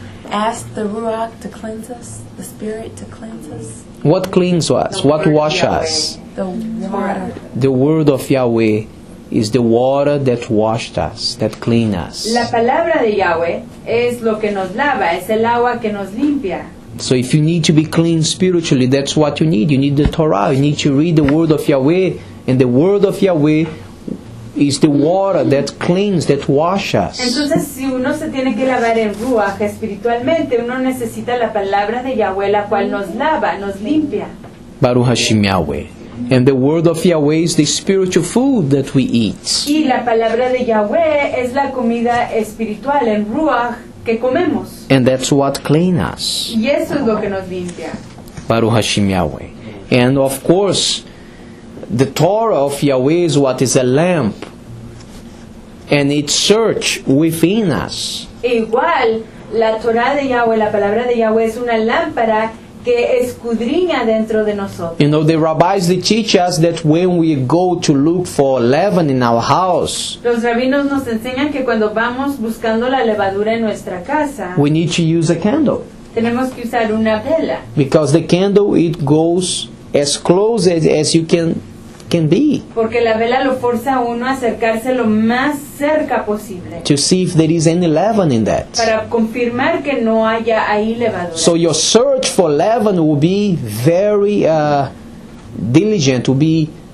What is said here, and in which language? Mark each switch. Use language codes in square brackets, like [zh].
[en] Ask the ruach to cleanse us, the spirit to cleanse us. What cleanse us? What wash us? The water. The word of Yahweh is the water that washed us, that cleaned us. [es] La palabra de Yahweh es lo que nos lava, es el agua que nos limpia. [en] So if you need to be clean spiritually, that's what you need. You need the Torah. You need to read the word of Yahweh. And the word of Yahweh is the water that cleans, that washes us. [es] Entonces, si uno se tiene que lavar en ruach espiritualmente, uno necesita la palabra de Yahweh, la cual nos lava, nos limpia. [he] Baruch Hashem Yahweh. [en] And the word of Yahweh is the spiritual food that we eat. [es] Y la palabra de Yahweh es la comida espiritual en ruach que comemos. [en] And that's what cleans us. [es] Y eso es lo que nos limpia. [he] Baruch Hashem Yahweh. [en] And of course, the Torah of Yahweh is what is a lamp, and it searches within us. [es] Igual, la Torah de Yahweh, la palabra de Yahweh, es una lámpara que escudriña dentro de nosotros. [en] You know, the rabbis, they teach us that when we go to look for leaven in our house, [es] los rabinos nos enseñan que cuando vamos buscando la levadura en nuestra casa, [en] we need to use a candle. [es] Tenemos que usar una vela. [en] Because the candle, it goes as close as you can be. [es] Porque la vela lo forza a uno a acercarse lo más cerca posible. [en] To see if there is any leaven in that. [es] Para confirmar que no haya ahí levadura. [en] So your search for leaven will be very diligent, will be